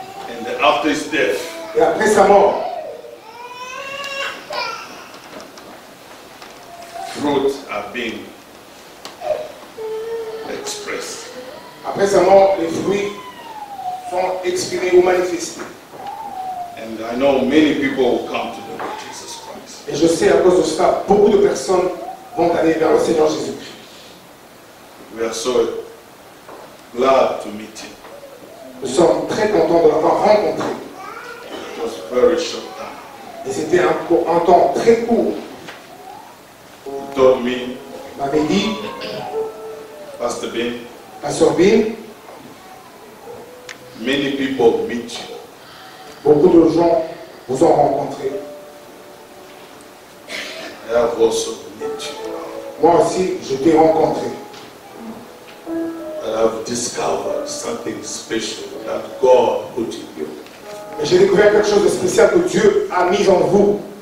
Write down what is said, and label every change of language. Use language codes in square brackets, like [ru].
[en] And after his death. [fr] Et après sa mort. [en] Fruits have been expressed. [fr] Après sa mort, les fruits sont exprimés ou manifestés. [en] And I know many people will come to the Lord Jesus Christ. [fr] Et je sais à cause de cela, beaucoup de personnes vont aller vers le Seigneur Jésus-Christ. [en] We are so glad to meet him. [fr] Nous sommes très contents de l'avoir rencontré. [en] It was a very short time. [fr] Et c'était un temps très court. [en] He told me, [fr] il m'avait dit, [en] Pastor Bin, Pastor Bin, many people meet you. [fr] Beaucoup de gens vous ont rencontré. [en] I have also met you. [fr] Moi aussi, je t'ai rencontré. [en] I have discovered something special that God put in you. [fr] Et j'ai découvert quelque chose de spécial que Dieu a mis en vous.